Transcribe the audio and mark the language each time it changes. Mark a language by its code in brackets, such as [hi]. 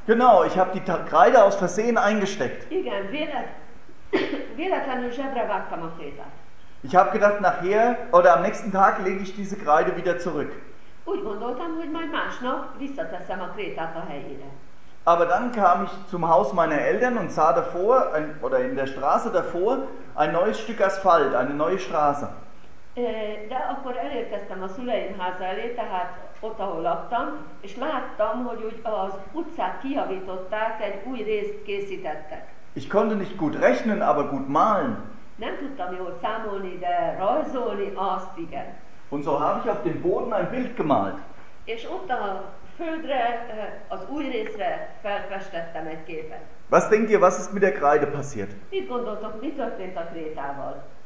[de] Genau, ich habe die Kreide aus Versehen eingesteckt. [hu] Igen, véletlenül zsebre vágtam a krétát. [de] Ich habe gedacht, nachher oder am nächsten Tag lege ich diese Kreide wieder zurück. [hu] Úgy gondoltam, hogy majd másnap visszateszem a krétát a helyére. [de] Aber dann kam ich zum Haus meiner Eltern und sah davor, oder in der Straße davor, ein neues Stück Asphalt, eine neue Straße. [hu] De akkor elérkeztem a szüleim háza elé, tehát ott, ahol laktam, és láttam, hogy úgy az utcát kijavították, egy új részt készítettek. [de] Ich konnte nicht gut rechnen, aber gut malen. [hu] Nem tudtam jól számolni, de rajzolni azt igen. [de] Und so habe ich auf dem Boden ein Bild gemalt. [hu] És ott a földre, az új részre felfestettem egy képet. [de] Was denkt ihr, was ist mit der Kreide passiert? [hu] Mit gondoltok, mi történt a krétával?